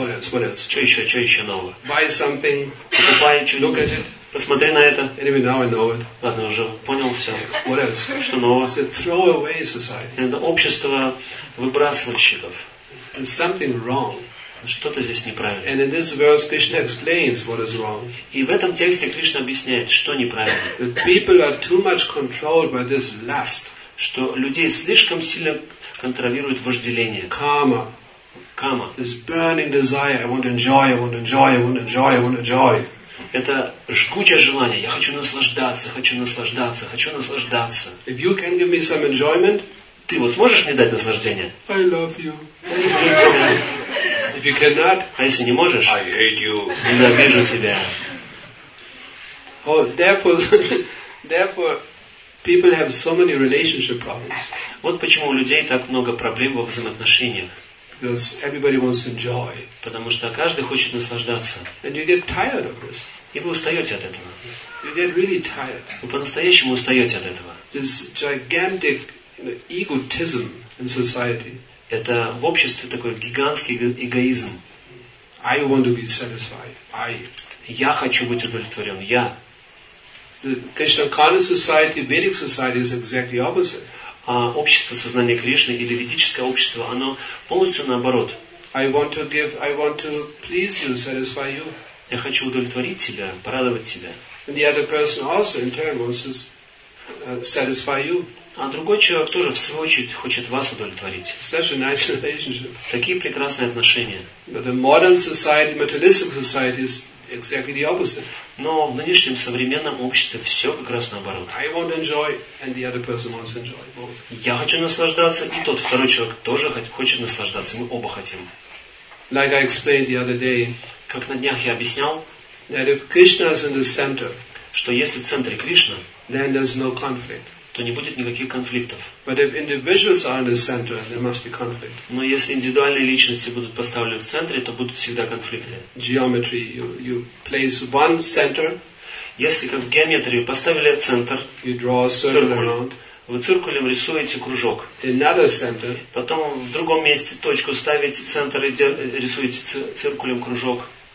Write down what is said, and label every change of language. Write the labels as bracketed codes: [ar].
[en] What else? What else? [ru] Что еще нового? [en] Buy something. [ru] Покупай что-нибудь. [en] Look at it. [ru] Посмотри на это. [en] Anyway, now I know it. [ru] Ладно, уже понял все. [en] What else? [ru] Что нового? [en] It's a throw-away society. [ru] Это общество выбрасывальщиков. [en] There's something wrong. [ru] Что-то здесь неправильно. [en] And in this verse, Krishna explains what is wrong. [ru] И в этом тексте Кришна объясняет, что неправильно. [en] That people are too much controlled by this lust. [ru] Что людей слишком сильно контролирует вожделение. [en] Karma. Karma. This burning desire. I want to enjoy. I want to enjoy. I want to enjoy. I want to enjoy. [ru] Это жгучее желание. Я хочу наслаждаться, хочу наслаждаться, хочу наслаждаться. [en] If you can give me some enjoyment, [ru] ты вот сможешь мне дать наслаждение? [en] I love you. If you cannot, [ru] а если не можешь? [en] I hate you. [ru] Ненавижу тебя. [en] Oh, therefore, people have so many relationship problems. [ru] Вот почему у людей так много проблем во взаимоотношениях. [en] Because everybody wants to enjoy. [ru] Потому что каждый хочет наслаждаться. [en] And you get tired of this. [ru] И вы устаете от этого. [en] You get really tired. [ru] Вы по-настоящему устаете от этого. [en] This gigantic egotism in society. [ru] Это в обществе такой гигантский эгоизм. [en] I want to be satisfied. I. [ru] Я хочу быть удовлетворен. Я. [en] The Krishna conscious society, Vedic society is exactly opposite. [ru] А общество сознания Кришны или ведическое общество, оно полностью наоборот. [en] I want to give, I want to please you, satisfy you. [ru] Я хочу удовлетворить тебя, порадовать тебя. [en] And the other person also in turn wants to satisfy you. [ru] А другой человек тоже, в свою очередь, хочет вас удовлетворить. [en] Such a nice relationship. [ru] Такие прекрасные отношения. [en] But the modern society, materialistic society is exactly the opposite. [ru] Но в нынешнем современном обществе все как раз наоборот. [en] I want to enjoy, and the other person wants to enjoy both. [ru] Я хочу наслаждаться, и тот второй человек тоже хочет наслаждаться. Мы оба хотим. [en] Like I explained the other day, [ru] как на днях я объяснял, [en] that if Krishna is in the center, [ru] что если в центре Кришна, [en] then there's no conflict. [ru] То не будет никаких конфликтов. [en] But if individuals are in the center, there must be conflict. [ru] Но если индивидуальные личности будут поставлены в центре, то будут всегда конфликты. [en] Geometry, you place one center. [ru] Если как в геометрии поставили центр, [en] you draw a circle around. [ru] Вы циркулем рисуете кружок. [en] Another center. [ru] Потом в другом месте точку ставите центр и рисуете циркулем кружок.